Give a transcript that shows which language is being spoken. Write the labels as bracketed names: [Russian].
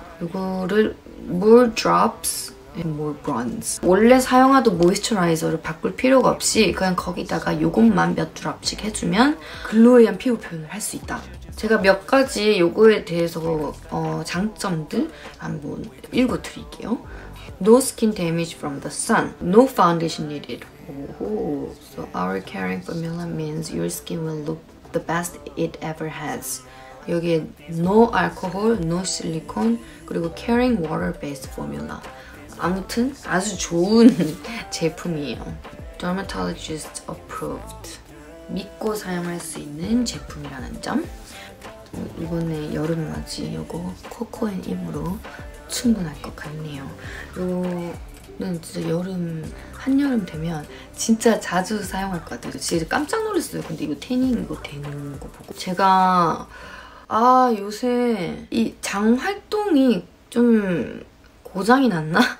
[Korean] 이거를 [English] more drops and more bronze [Korean] 원래 사용하던 모이스처라이저를 바꿀 필요가 없이 그냥 거기다가 이것만 몇 드랍씩 해주면 글로이한 피부 표현을 할 수 있다. 제가 몇 가지 이거에 대해서 장점들 한번 읽어드릴게요. [English] No skin damage from the sun. No foundation needed. Oh, so our caring formula means your skin will look the best it ever has. [Korean] 여기에 [English] no alcohol, no silicone, 그리고 caring water-based formula. [Korean] 아무튼 아주 좋은 제품이에요. [English] Dermatologist approved. [Korean] 믿고 사용할 수 있는 제품이라는 점. 이번에 여름맞이 이거 코코앤 입으로 충분할 것 같네요. 요는 진짜 여름 한여름 되면 진짜 자주 사용할 것 같아요. 진짜 깜짝 놀랐어요. 근데 이거 태닝 이거 되는 거 보고 제가 아 요새 이 장 활동이 좀 고장이 났나?